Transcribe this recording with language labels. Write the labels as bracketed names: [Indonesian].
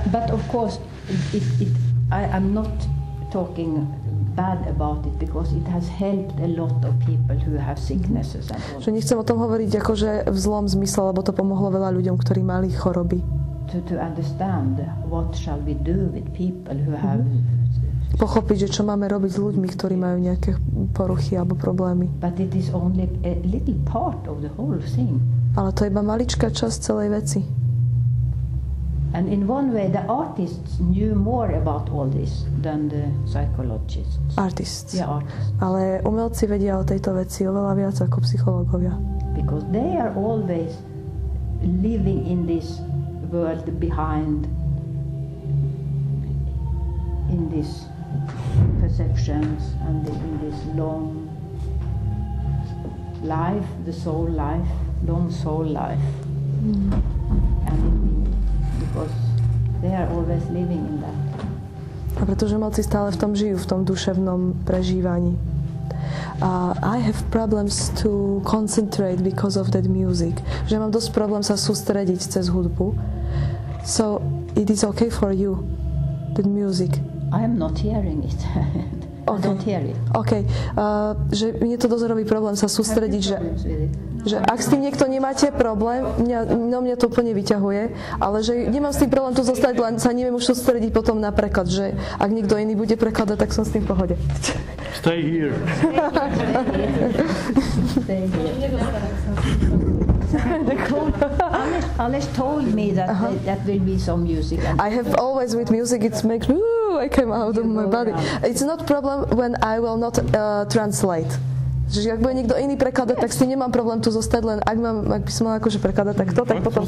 [English] But of course I'm not talking bad about it because it has helped a lot of people who have sicknesses. [Slovak] Že nechcem o tom hovoriť akože v zlom zmysle, lebo to pomohlo veľa ľuďom, ktorí mali choroby. [English] To understand what shall we do with people who have [Slovak] pochopiť, že čo máme robiť s ľuďmi, ktorí majú nejaké poruchy alebo problémy. [English] But it is only a little part of the whole thing. [Slovak] Ale to je iba maličká časť celej veci. [English] And in one way the artists knew more about all this than the psychologists. Artists. Yeah, artists. [Slovak] Ale umelci vedia o tejto veci oveľa viac ako psychológovia. [English] Because they are always living in this world behind in this perceptions and in this long life, the soul life, long soul life, and in me, because they are always living in that. [Slovak] A pretože umelci stále v tom žijú, v tom duševnom prežívaní. [English] I have problems to concentrate because of that music. [Slovak] Že mám dosť problém sa sústrediť cez hudbu. [English] So it is okay for you, that music. I am not hearing it. Okay. I don't hear it. Okay. [Slovak] Že mne to dosť robí problém sa sústrediť, že ak s tým niekto nemáte problém, mňa to úplne vyťahuje, ale že nemám s tým problém tu zostať, len sa neviem už sústrediť potom na preklad, že ak niekto iný bude prekladať, tak som s tým v pohode. [English] Stay here. Aleš told me that that will be some music. I have always with music, it makes me, I came out of my body. It's not problem when I will not translate. [Slovak] Že ak bude niekto iný prekladať, tak s tým nemám problém tu zostať, len ak, mám, ak by som mal akože prekladať, tak to, tak potom...